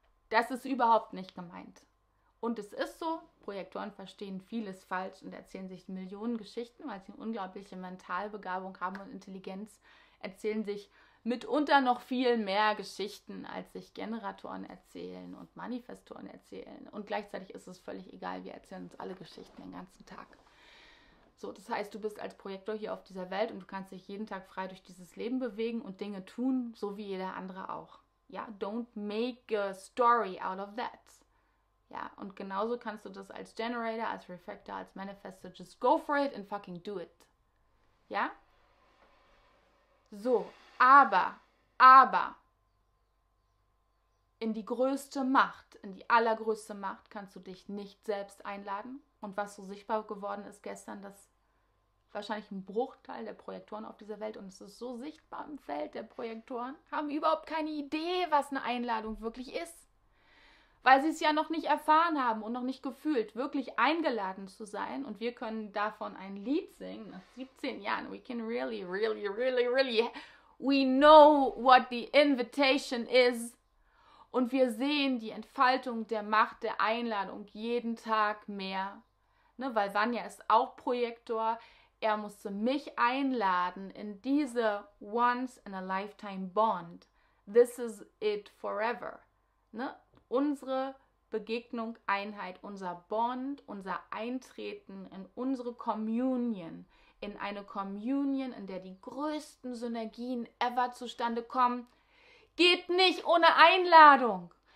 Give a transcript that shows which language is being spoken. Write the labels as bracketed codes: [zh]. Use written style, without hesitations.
[de] Das ist überhaupt nicht gemeint. Und es ist so, Projektoren verstehen vieles falsch und erzählen sich Millionen Geschichten, weil sie eine unglaubliche Mentalbegabung haben und Intelligenz, erzählen sich mitunter noch viel mehr Geschichten, als sich Generatoren erzählen und Manifestoren erzählen. Und gleichzeitig ist es völlig egal, wir erzählen uns alle Geschichten den ganzen Tag. So, das heißt, du bist als Projektor hier auf dieser Welt und du kannst dich jeden Tag frei durch dieses Leben bewegen und Dinge tun, so wie jeder andere auch. [en] Ja, don't make a story out of that. [de] Ja, und genauso kannst du das als Generator, als Reflector, als Manifestor, [en] just go for it and fucking do it. [de] Ja? So, aber, in die größte Macht, in die allergrößte Macht kannst du dich nicht selbst einladen. Und was so sichtbar geworden ist gestern, dass wahrscheinlich ein Bruchteil der Projektoren auf dieser Welt, und es ist so sichtbar im Feld der Projektoren, haben überhaupt keine Idee, was eine Einladung wirklich ist. Weil sie es ja noch nicht erfahren haben und noch nicht gefühlt, wirklich eingeladen zu sein. Und wir können davon ein Lied singen, nach 17 Jahren. [en] We can really, really, really, really, we know what the invitation is. [de] Und wir sehen die Entfaltung der Macht der Einladung jeden Tag mehr. Ne? Weil Vanya ist auch Projektor. Er musste mich einladen in diese Once-in-a-Lifetime-Bond. [en] This is it forever. [de] Ne? Unsere Begegnung, Einheit, unser Bond, unser Eintreten in unsere Communion, in eine Communion, in der die größten Synergien ever zustande kommen, geht nicht ohne Einladung.